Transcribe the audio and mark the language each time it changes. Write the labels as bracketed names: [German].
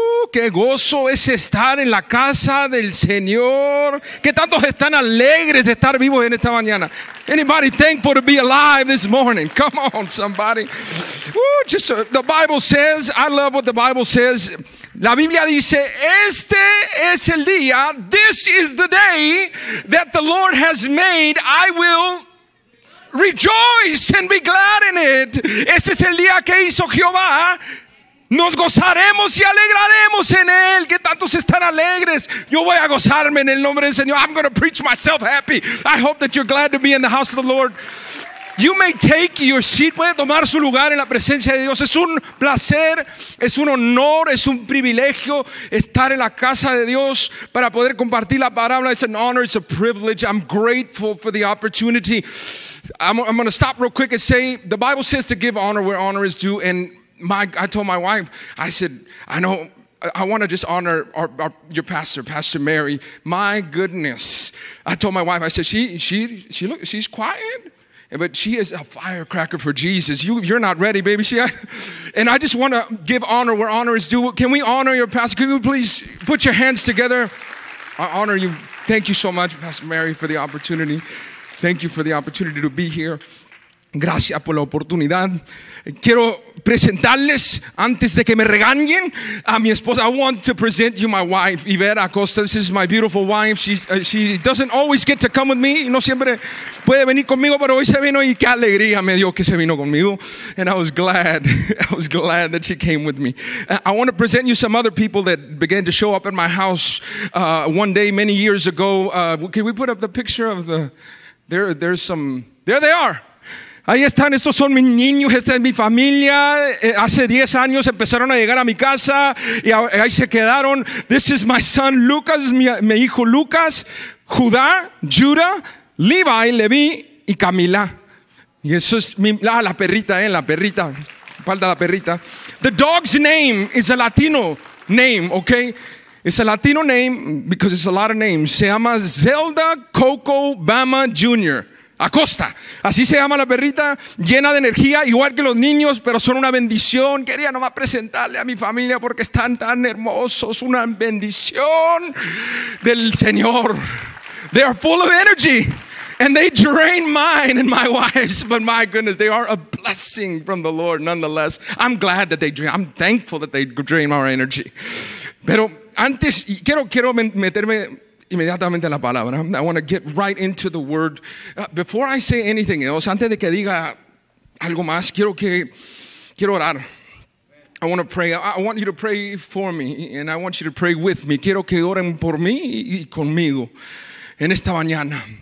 [Spanish] Qué gozo es estar en la casa del Señor. Qué tantos están alegres de estar vivos en esta mañana. [English] Anybody thankful to be alive this morning? Come on, somebody. The Bible says, I love what the Bible says. [Spanish] La Biblia dice, este es el día, [English] this is the day that the Lord has made. I will rejoice and be glad in it. [Spanish] Este es el día que hizo Jehová. Nos gozaremos y alegraremos en él. Que tantos están alegres. Yo voy a gozarme en el nombre del Señor. [English] I'm going to preach myself happy. I hope that you're glad to be in the house of the Lord. You may take your seat. [Spanish] Puede tomar su lugar en la presencia de Dios. Es un placer, es un honor, es un privilegio estar en la casa de Dios para poder compartir la palabra. [English] It's an honor, it's a privilege. I'm grateful for the opportunity. I'm going to stop real quick and say, the Bible says to give honor where honor is due, and I told my wife, I said, I know, I want to just honor your pastor, Pastor Mary. My goodness. I told my wife, I said, she's quiet, but she is a firecracker for Jesus. You're not ready, baby. And I just want to give honor where honor is due. Can we honor your pastor? Can you please put your hands together? I honor you. Thank you so much, Pastor Mary, for the opportunity. Thank you for the opportunity to be here. [Spanish] Gracias por la oportunidad. Quiero presentarles antes de que me regañen a mi esposa. [English] I want to present you my wife, Ivette Acosta. This is my beautiful wife. She doesn't always get to come with me. [Spanish] No siempre puede venir conmigo, pero hoy se vino y qué alegría me dio que se vino conmigo. [English] And I was glad. I was glad that she came with me. I want to present you some other people that began to show up at my house one day many years ago. Can we put up the picture of the? There's some. There they are. [Spanish] Ahí están, estos son mis niños, esta es mi familia. Hace 10 años empezaron a llegar a mi casa y ahí se quedaron. [English] This is my son Lucas, [Spanish] mi hijo Lucas, [English] Judá, Judah, Levi, Levi y Camila. [Spanish] Y eso es la perrita. Falta la perrita. [English] The dog's name is a Latino name, okay? It's a Latino name because it's a lot of names. [Spanish] Se llama Zelda Coco Bama Jr. Acosta, así se llama la perrita, llena de energía, igual que los niños, pero son una bendición. Quería nomás presentarle a mi familia porque están tan hermosos, una bendición del Señor. [English] They are full of energy And they drain mine and my wife's. But my goodness, they are a blessing from the Lord nonetheless. I'm glad that they drain. I'm thankful that they drain our energy. [Spanish] Pero antes, quiero meterme inmediatamente en la palabra. [English] I want to get right into the word. Before I say anything else, [Spanish] antes de que diga algo más, [English] quiero orar. I want to pray. I want you to pray for me, and I want you to pray with me. [Spanish] Quiero que oren por mí y conmigo en esta mañana.